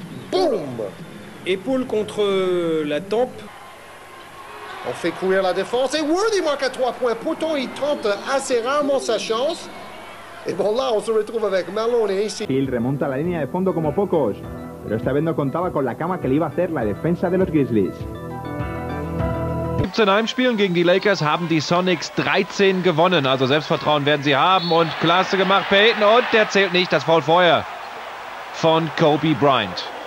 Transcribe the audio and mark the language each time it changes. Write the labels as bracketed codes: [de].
[fr] Boum! Épaule contre la tempe. On fait courir la défense et Worthy marque à 3 points. Pourtant, il tente assez rarement sa chance. Et bon, là, on se retrouve avec Malone et AC. Il remonte à la ligne de fond comme [es] pocos. Mais esta vez no contaba con la cama que le iba a hacer la defensa de los Grizzlies. [de] In Heimspielen gegen die Lakers haben die Sonics 13 gewonnen. Also Selbstvertrauen werden sie haben. Und klasse gemacht, Payton. Und der zählt nicht, das Foul vorher von Kobe Bryant.